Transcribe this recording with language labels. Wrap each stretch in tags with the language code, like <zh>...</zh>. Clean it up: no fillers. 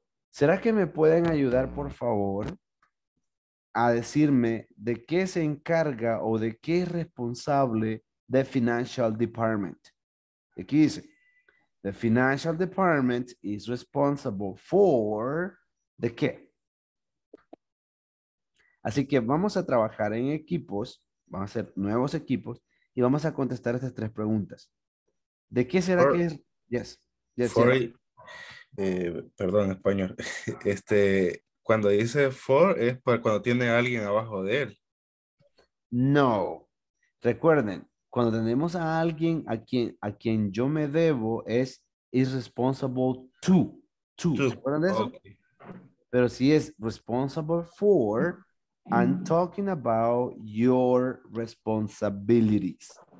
<es>¿Será que me pueden ayudar, por favor, a decirme de qué se encarga o de qué es responsable</es> <en>the financial department?</en> <es>Aquí dice,</es> <en>the financial department is responsible for the qué.</en> <es>Así que vamos a trabajar en equipos, vamos a hacer nuevos equipos y vamos a contestar estas tres preguntas. ¿De qué será for, que es?</es> <en>Yes. Yes,</en> <es>for, perdón, español. Cuando dice for es para cuando tiene a alguien abajo de él. No. Recuerden, cuando tenemos a alguien a quien yo me debo es</es> <en>is responsible to.</en> <es>¿Se acuerdan de eso? Okay. Pero si es</es> <en>responsible for, I'm talking about your responsibilities.</en>